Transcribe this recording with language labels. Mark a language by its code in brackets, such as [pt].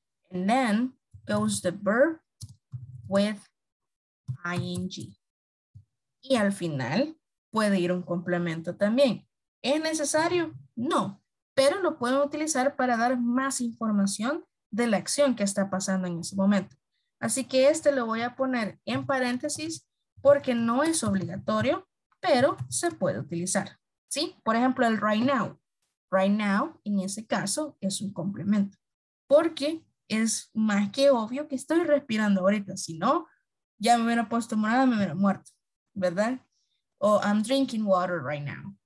[en] And then, goes the verb with ing. [es] Y al final, puede ir un complemento también. ¿Es necesario? No. Pero lo pueden utilizar para dar más información de la acción que está pasando en ese momento. Así que este lo voy a poner en paréntesis porque no es obligatorio, pero se puede utilizar. ¿Sí? Por ejemplo, el right now. [en] Right now, [es] en ese caso, es un complemento. Porque es más que obvio que estoy respirando ahorita. Si no, ya me hubiera puesto morada, me hubiera muerto. ¿Verdad? [en] O I'm drinking water right now.